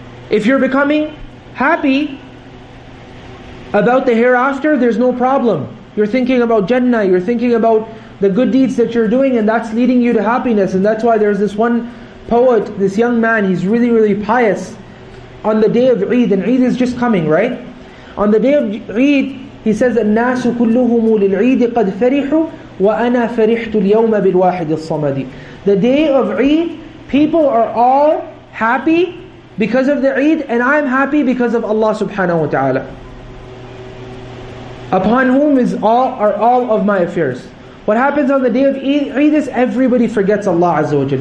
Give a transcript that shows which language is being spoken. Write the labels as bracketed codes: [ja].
[en] If you're becoming happy about the hereafter, there's no problem. You're thinking about Jannah, you're thinking about the good deeds that you're doing, and that's leading you to happiness. And that's why there's this one poet, this young man, he's really, really pious. On the day of Eid, and Eid is just coming, right? On the day of Eid, he says, [ar] النَّاسُ كُلُّهُمُ لِلْعِيدِ قَدْ فَرِحُوا وَأَنَا فَرِحْتُ الْيَوْمَ بِالْوَاحِدِ الصَّمَدِ. [en] The day of Eid, people are all happy because of the Eid, and I'm happy because of Allah subhanahu wa ta'ala, upon whom are all of my affairs. What happens on the day of Eid is everybody forgets Allah Azza wa Jal.